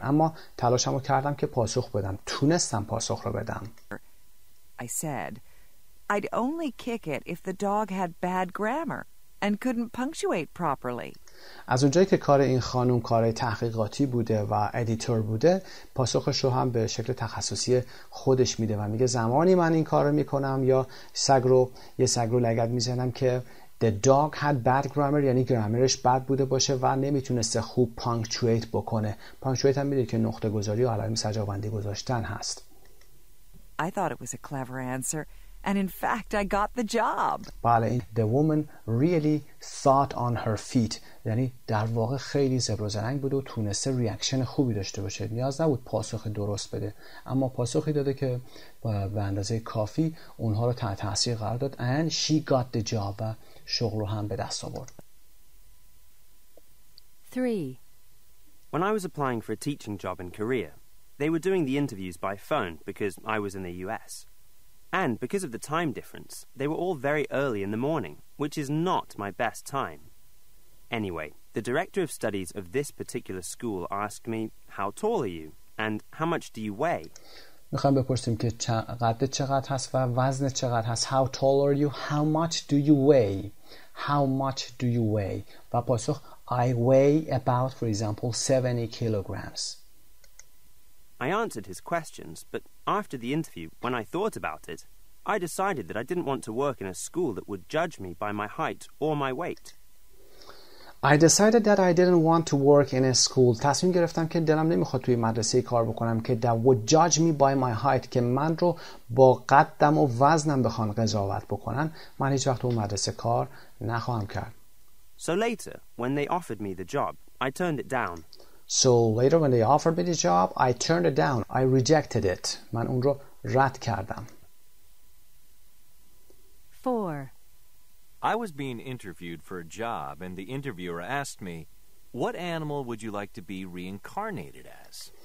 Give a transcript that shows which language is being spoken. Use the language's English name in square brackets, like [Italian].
[Persian] اما تلاشمو کردم که پاسخ بدم. تونستم پاسخ رو بدم. [English] I said, "I'd only kick it if the dog had bad grammar and couldn't punctuate properly." [Persian] از اونجایی که کار این خانم کار تحقیقاتی بوده و ادیتور بوده، پاسخش رو هم به شکل تخصصی خودش میده و میگه زمانی من این کار رو میکنم یا سگ رو لگد میزنم که [English] the dog had bad grammar، [Persian] یعنی گرامرش بد بوده باشه و نمیتونسته خوب پانکچویت بکنه. پانکچویت هم میدونی که نقطه گذاری و علائم سجابندی گذاشتن هست. [English] I thought it was a clever answer. And in fact, I got the job. [Persian] بله، [English] the woman really thought on her feet. [Persian] یعنی در واقع خیلی زبر و زرنگ بود و تونسته ریاکشن خوبی داشته باشه. نیاز نبود پاسخ درست بده، اما پاسخی داده که به اندازه کافی اونها رو تحت تاثیر قرار داد. [English] And she got the job. [Persian] و شغل رو هم به دست آورد. 3. [English] When I was applying for a teaching job in Korea, they were doing the interviews by phone because I was in the US. And because of the time difference, they were all very early in the morning, which is not my best time. Anyway, the director of studies of this particular school asked me, "How tall are you? And how much do you weigh?" [Persian] می‌خوام بپرسیم که قدت چقدر هست و وزنت چقدر هست. [English] How tall are you? How much do you weigh? How much do you weigh? [Persian] و پاسخ، [English] "I weigh about, for example, 70 kilograms." I answered his questions, but after the interview, when I thought about it, I decided that I didn't want to work in a school that would judge me by my height or my weight. I decided that I didn't want to work in a school. [Persian] تصمیم گرفتم که دلم نمیخواد توی مدرسه کار بکنم که [English] that would judge me by my height، [Persian] که من رو با قدم و وزنم بخوان قضاوت بکنن. من هیچ وقت توی مدرسه کار نخواهم کرد. [English] So later, when they offered me the job, I turned it down. So later when they offered me the job, I turned it down. I rejected it. [Persian] من اون رو رد کردم. 4. [English] I was being interviewed for a job and the interviewer asked me, "What animal would you like to be reincarnated as?"